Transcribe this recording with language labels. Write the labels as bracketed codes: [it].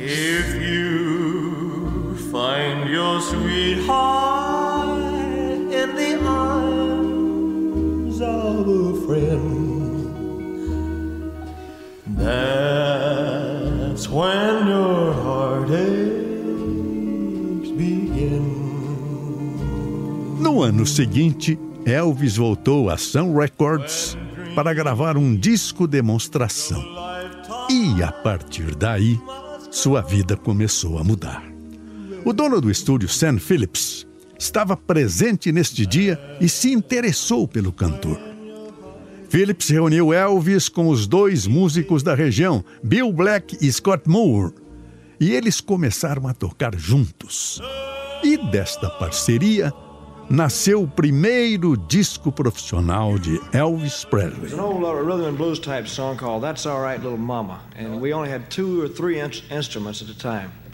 [en] If you find your sweetheart in the arms of a friend, that's when your heartaches begin. [pt] No ano seguinte, Elvis voltou a Sun Records para gravar um disco demonstração. E a partir daí, sua vida começou a mudar. O dono do estúdio, Sam Phillips, estava presente neste dia e se interessou pelo cantor. Phillips reuniu Elvis com os dois músicos da região, Bill Black e Scott Moore, e eles começaram a tocar juntos. E desta parceria nasceu o primeiro disco profissional de Elvis Presley. [en] There's an old rhythm and blues type song called That's All Right, Little Mama. And we only had two or three instruments at the time.